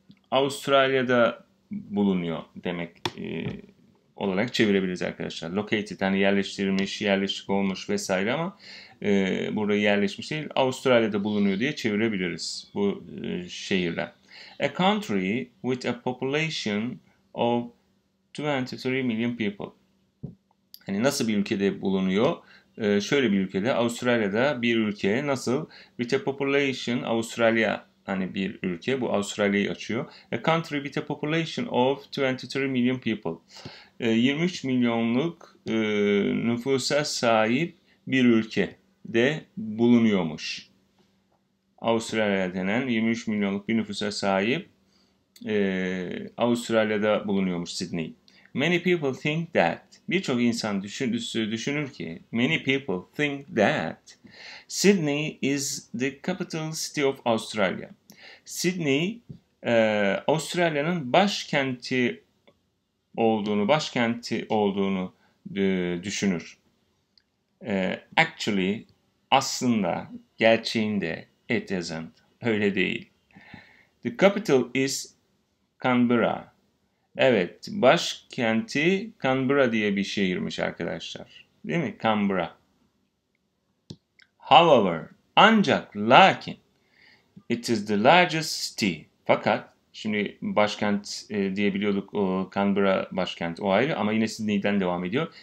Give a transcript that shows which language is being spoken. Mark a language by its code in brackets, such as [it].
[tr] Avustralya'da bulunuyor demek olarak çevirebiliriz arkadaşlar. Located, hani yerleştirilmiş, yerleşik olmuş vesaire ama burada yerleşmiş değil, Avustralya'da bulunuyor diye çevirebiliriz bu şehirden. [en] A country with a population of 23 million people. [tr] Hani nasıl bir ülkede bulunuyor? Şöyle bir ülkede, Avustralya'da bir ülke nasıl? [en] With a population, [tr] Avustralya hani bir ülke, bu Avustralya'yı açıyor. [en] A country with a population of 23 million people. [tr] 23 milyonluk nüfusa sahip bir ülke de bulunuyormuş. Avustralya denen 23 milyonluk bir nüfusa sahip Avustralya'da bulunuyormuş Sydney. [en] Many people think that, [tr] birçok insan düşünür ki, [en] many people think that Sydney is the capital city of Australia. [tr] Sydney, Avustralya'nın başkenti olduğunu, başkenti olduğunu düşünür. [en] Actually, [tr] aslında, gerçeğinde, [en] it isn't, [tr] öyle değil. [en] The capital is Canberra. [tr] Evet, başkenti Canberra diye bir şehirmiş arkadaşlar. Değil mi? Canberra. [en] However, [tr] ancak, lakin, [en] it is the largest city. [tr] Fakat, şimdi başkent diyebiliyorduk, Canberra başkent, o ayrı ama yine Sydney'den devam ediyor.